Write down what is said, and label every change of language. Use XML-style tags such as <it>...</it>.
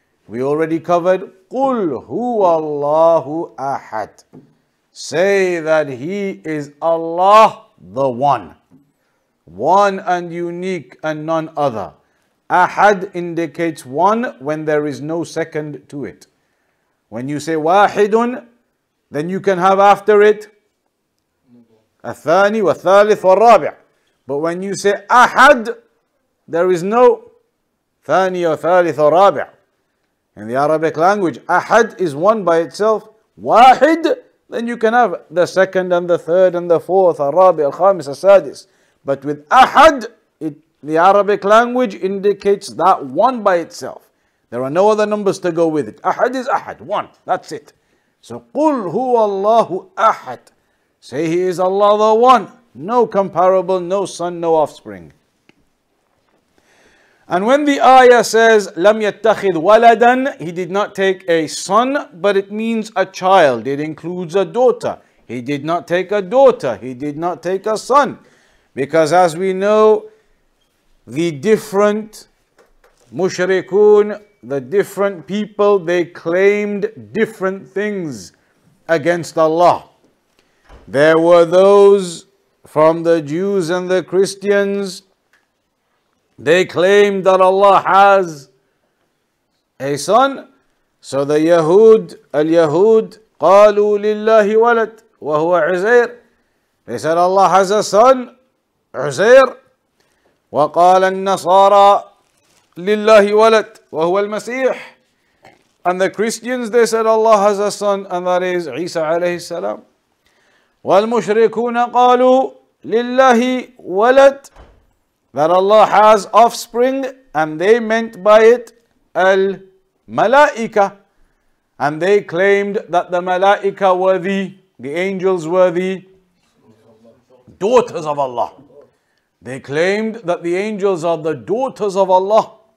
<en>We already covered,</en> <ar>قُلْ هُوَ اللَّهُ أَحَدٌ.</ar> <en>Say that He is Allah, the One. One and unique and none other. أَحَد indicates one when there is no second to it. When you say وَاحِدٌ, then you can have after it</en> <ar>أَثَانِي وَثَالِثُ وَالرَّابِعُ.</ar> <en>But when you say أَحَد, there is no</en> <ar>ثَانِي وَثَالِثُ وَالرَّابِعُ.</ar> <en>In the Arabic language, Ahad is one by itself. Wahid, then you can have the second and the third and the fourth, Arabi, Al-Khamis, Al-Sadis. But with Ahad, the Arabic language indicates that one by itself. There are no other numbers to go with it. Ahad is Ahad, one, that's it.</en> <ar>So, قُلْ هُوَ اللَّهُ أَحَد.</ar> <en>Say He is Allah the One. No comparable, no son, no offspring. And when the ayah says,</en> <ar>لَمْ يَتَّخِذْ وَلَدًا,</ar> <en>He did not take a son, but it means a child. It includes a daughter. He did not take a daughter. He did not take a son. Because as we know, the different mushrikun, the different people, they claimed different things against Allah. There were those from the Jews and the Christians. They claim that Allah has a son. So the Yahud, al-Yahud,</en> <ar>قالوا لله ولد وهو عزير.</ar> <en>They said Allah has a son, عزير.</en> <ar>وقال النصارى لله ولد وهو المسيح.</ar> <en>And the Christians, they said Allah has a son, and that is</en> <ar>عيسى عليه السلام. والمشركون قالوا لله ولد.</ar> <en>That Allah has offspring, and they meant by it al-Malaika. And they claimed that the Malaika were the angels were the daughters of Allah. They claimed that the angels are the daughters of Allah.</en>